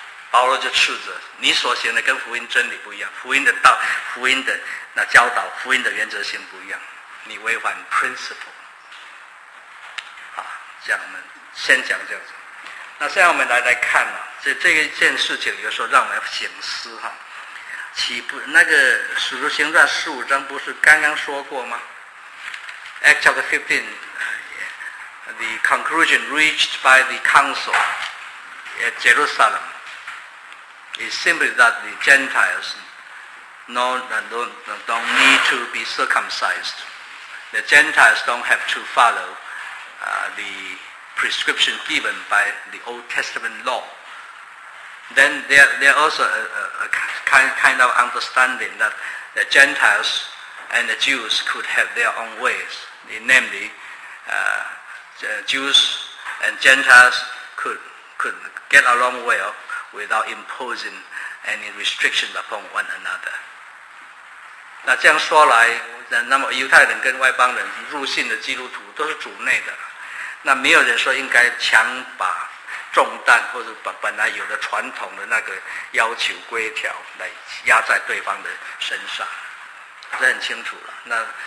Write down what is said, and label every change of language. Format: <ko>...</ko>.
<zh>保罗就斥责你所行的跟福音真理不一样，福音的道，福音的那教导，福音的原则性不一样，你违反 principle 啊。这样我们先讲这样子，那现在我们来看啊，这一件事情有时候让我们醒思哈，岂不那个使徒行传十五章不是刚刚说过吗？</zh> <en>Acts chapter 15 the conclusion reached by the council at JerusalemIt's simply that the Gentiles don't need to be circumcised. The Gentiles don't have to follow the prescription given by the Old Testament law. Then there also a kind of understanding that the Gentiles and the Jews could have their own ways. Namely, Jews and Gentiles could get along well. Without imposing any restrictions upon one another.</en> <zh>那这样说来，那么犹太人跟外邦人入信的基督徒都是主内的，那没有人说应该强把重担或者把本来有的传统的那个要求规条来压在对方的身上，这很清楚了。</zh>